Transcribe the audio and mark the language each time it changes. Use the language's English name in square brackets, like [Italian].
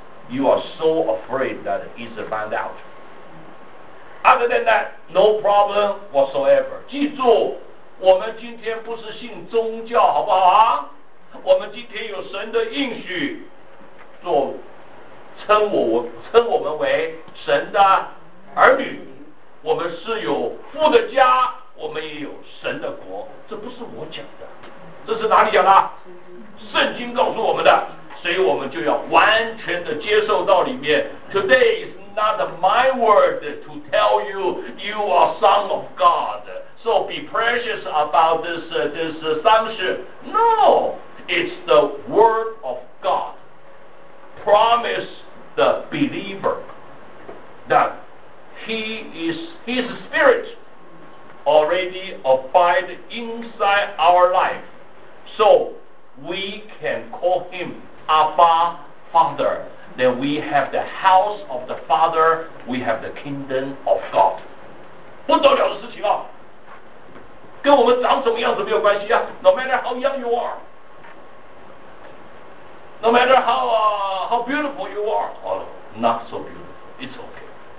[English] You are so afraid that it's found out. Other than that, no problem whatsoever. [Chinese] 记住，我们今天不是信宗教，好不好啊？我们今天有神的应许，做称我们为神的儿女。我们是有父的家，我们也有神的国。这不是我讲的，这是哪里讲的？圣经告诉我们的。所以我们就要完全的接受到里面。 [English] Today is not my word to tell you you are son of God, so be precious about this assumption. No, it's the word of God. Promise the believer that his spirit already abide inside our life, so we can call him Abba Father. Then we have the house of the Father, we have the kingdom of God. [Chinese] 不得了的事情啊，跟我们长什么样子没有关系啊。 [English] No matter how young you are, no matter how beautiful you are, or not so beautiful, it's okay.